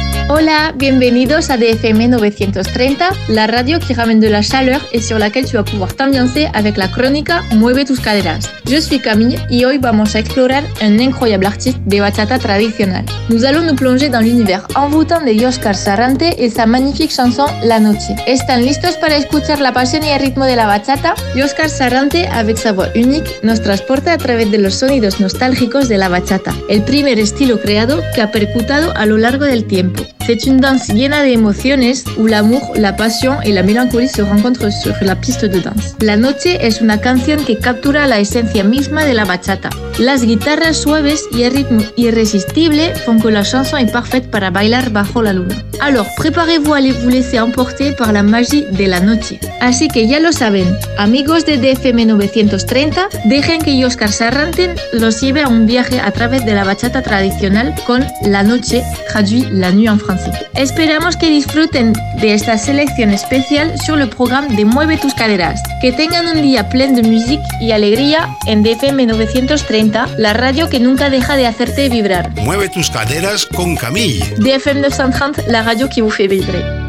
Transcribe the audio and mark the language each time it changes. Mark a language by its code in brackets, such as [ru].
[es] Hola, bienvenidos [fr] à DFME 930, la radio qui ramène de la chaleur et sur laquelle tu vas pouvoir t'ambiancer avec la chronique Mueve tus caderas. Je suis Camille et [es] hoy vamos a explorar un [fr] incroyable artiste de bachata traditionnel. Nous allons nous plonger dans l'univers envoûtant de Yoshkar Sarante et sa magnifique chanson La Noche. [es] Están listos para escuchar la pasión y el ritmo de la bachata? Yoshkar Sarante, [fr] avec sa voix unique, [es] nos transporte [fr] à travers [es] de los sonidos nostálgicos de la bachata, el primer estilo creado que ha percutado a lo largo del tiempo. [fr] C'est une danse [es] llena de emociones [fr] où l'amour, la passion et la mélancolie se rencontrent sur la piste de danse. [es] La Noche es una canción que captura la esencia misma de la bachata. Las guitarras suaves y el ritmo irresistible [fr] font que la chanson est parfaite [es] para bailar bajo la luna. [fr] Alors, préparez-vous à vous laisser emporter par la magie de la noche. [es] Así que ya lo saben, amigos de DFM 930, dejen que Yoshkar Sarante los lleve a un viaje a través de la bachata tradicional con La Noche, [fr] traduit la nuit en français. [es] Esperamos que disfruten de esta selección especial [fr] sur le programme de [es] Mueve tus caderas. Que tengan un día [fr] plein de musique [es] y alegría en DFM 930, la radio que nunca deja de hacerte vibrar. Mueve tus caderas con Camille. [fr] DFM 930, la radio qui vous fait vibrer.